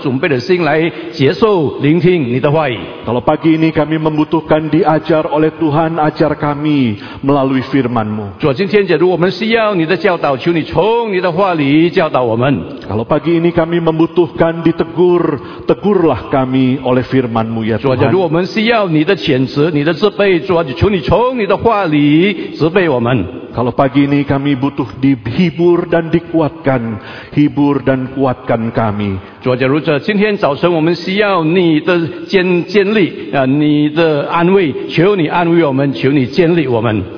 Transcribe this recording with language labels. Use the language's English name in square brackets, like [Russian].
[Chinese] 主啊，求你准备我们每一个人的心，当大家已经有一个很好的准备的心来接受聆听你的话语。 [Indonesian] Kalau pagi ini kami membutuhkan diajar oleh Tuhan, ajar kami melalui firman-Mu. [Chinese] 主啊，今天假如我们需要你的教导，求你从你的话里教导我们。 [Indonesian] Kalau pagi ini kami membutuhkan ditegur, tegurlah kami oleh firman-Mu ya Tuhan. [Chinese] 主啊，假如我们需要你的谴责，你的责备。求你从你的话里责备我们。 [Indonesian] Kalau pagi ini kami butuh dihibur dan dikuatkan, hibur dan kuatkan kami. [Chinese] 主啊，假如这今天早晨我们需要你的建立，你的安慰，求你安慰我们，求你建立我们。